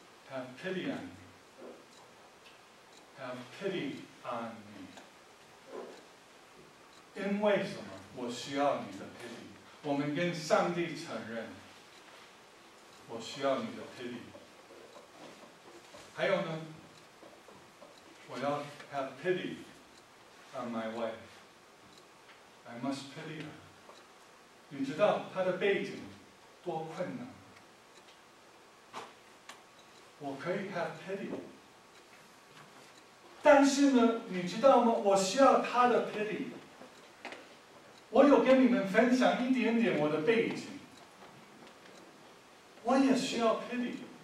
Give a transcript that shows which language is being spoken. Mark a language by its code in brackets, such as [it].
[en] Have pity on me. Have pity on me. [zh] 因为什么我需要你的 pity? 我们跟上帝承认我需要你的 pity. 还有呢，我要 [en] have pity on my wife. I must pity her. [zh] 你知道她的背景多困难，我可以 [en] have pity. [zh] 但是呢，你知道吗？我需要他的 pity。我有跟你们分享一点点我的背景，我也需要 pity。